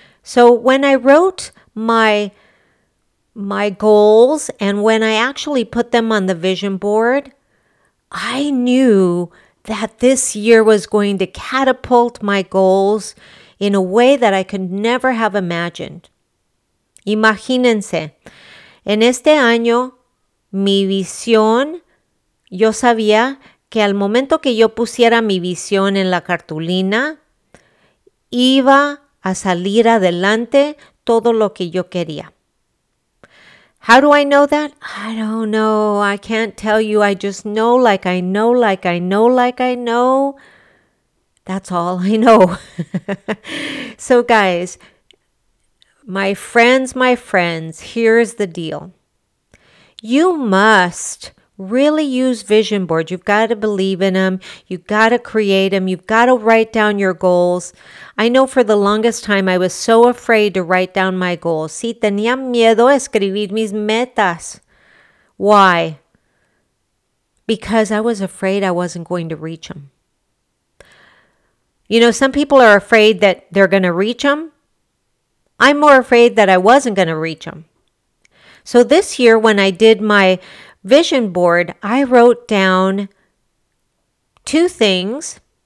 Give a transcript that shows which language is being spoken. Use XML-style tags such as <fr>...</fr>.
<en>So when I wrote my goals and when I actually put them on the vision board, I knew that this year was going to catapult my goals in a way that I could never have imagined.</en> <es>Imagínense, en este año, mi visión, yo sabía que al momento que yo pusiera mi visión en la cartulina, iba a salir adelante todo lo que yo quería.</es> <en>How do I know that? I don't know. I can't tell you. I just know like I know like I know like I know. That's all I know. So guys, my friends, here's the deal. You must really use vision boards. You've got to believe in them. You've got to create them. You've got to write down your goals. I know for the longest time, I was so afraid to write down my goals.</en> <es>Sí, tenía miedo a escribir mis metas.</es> <en>Why? because I was afraid I wasn't going to reach them. You know, some people are afraid that they're going to reach them. I'm more afraid that I wasn't going to reach them. So this year, when I did my vision board, I wrote down two things.</en>